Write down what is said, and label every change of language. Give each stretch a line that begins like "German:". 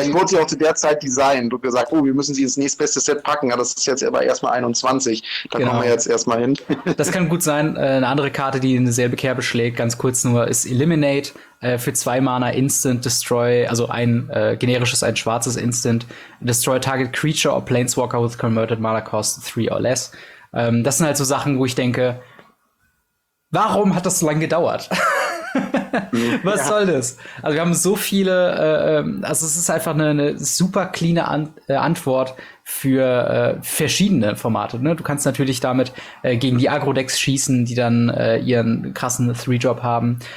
German: Es wurde ja auch zu der Zeit designt und gesagt, oh, wir müssen sie ins nächstbeste Set packen. Ja, das ist jetzt aber erstmal 21. Da genau. Kommen wir jetzt erstmal hin. Das kann gut sein. Eine andere Karte, die eine selbe Kerbe schlägt, ganz kurz nur, ist Eliminate. Für 2 Mana Instant Destroy, also ein generisches, ein schwarzes Instant.
English: Destroy Target Creature or Planeswalker with Converted Mana Cost 3 or less.
German: Das sind halt so Sachen, wo ich denke, warum hat das so lange gedauert? Was ja. soll das? Also wir haben so viele, also es ist einfach eine super cleane Antwort für verschiedene Formate. Ne? Du kannst natürlich damit gegen die Agro-Decks schießen, die dann ihren krassen 3-Drop haben.